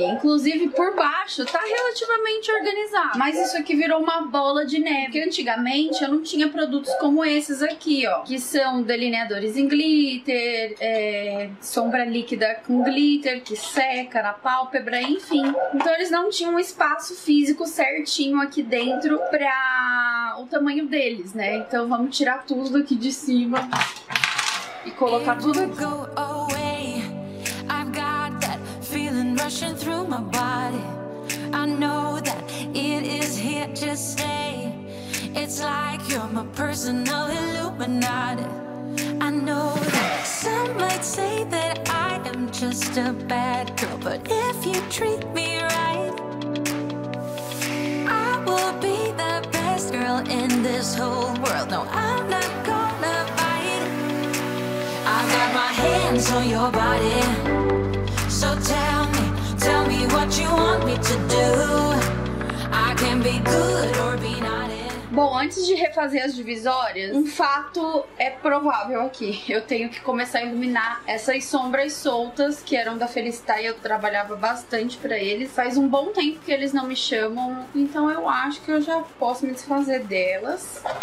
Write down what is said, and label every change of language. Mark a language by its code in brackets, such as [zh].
[pt] Inclusive por baixo tá relativamente organizado, mas isso aqui virou uma bola de neve, porque antigamente eu não tinha produtos como esses aqui, ó, que são delineadores em glitter, sombra líquida com glitter, que seca na pálpebra, enfim, então eles não tinham um espaço físico certinho aqui dentro pra o tamanho deles, né, então vamos tirar tudo aqui de cima e colocar tudo aqui. [en] I've got that feeling rushing through my body. I know that it is here to stay. It's like you're my personal Illuminati. I know that some might say that I am just a bad girl, but if you treat me right, I will be the best girl in this whole world. No, I'm not gonna bite. I've got my hands on your body, so tell me what you want me to do. I can be good or be not. [pt] Bom, antes de refazer as divisórias, um fato é provável aqui. Eu tenho que começar a iluminar essas sombras soltas, que eram da Felicitar e eu trabalhava bastante pra eles. Faz um bom tempo que eles não me chamam, então eu acho que eu já posso me desfazer delas.